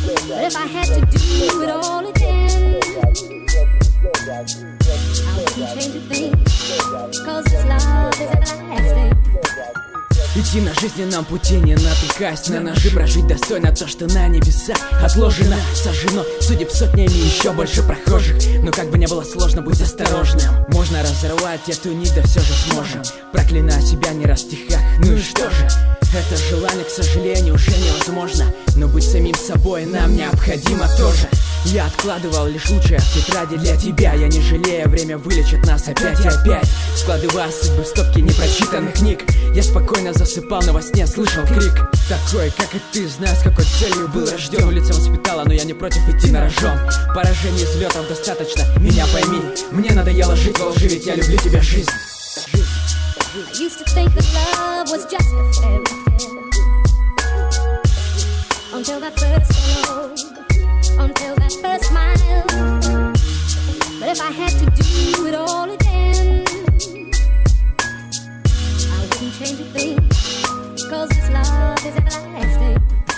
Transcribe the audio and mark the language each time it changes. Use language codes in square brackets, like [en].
[en] But if I had to do it all again, I wouldn't change a thing. 'Cause this love is everlasting. [ru] Идти на жизненном пути, не натыкаясь на ножи. Прожить достойно то, что на небесах отложено. Сожжено судеб сотнями еще больше прохожих. Но как бы ни было сложно, будь осторожным. Можно разорвать эту нить, да все же сможем. Проклиная себя не раз в стихах. Ну и что же, это желание, к сожалению, уже невозможно. Но быть самим собой нам необходимо тоже. Я откладывал лишь лучшее в тетради для тебя. Я не жалею, время вылечит нас опять и опять. Складывая судьбы в стопки непрочитанных книг, я спокойно засыпал, но во сне слышал крик. Такой, как и ты, знаю, с какой целью был рожден. Улица воспитала, но я не против идти на рожон. Поражений и взлетов достаточно, меня пойми. Мне надоело жить во лжи, ведь я люблю тебя, жизнь. [en] I used to think that love was just a fairy tale. Until that first glow, until that first smile. But if I had to do it all again, change a thing, 'cause this love is everlasting.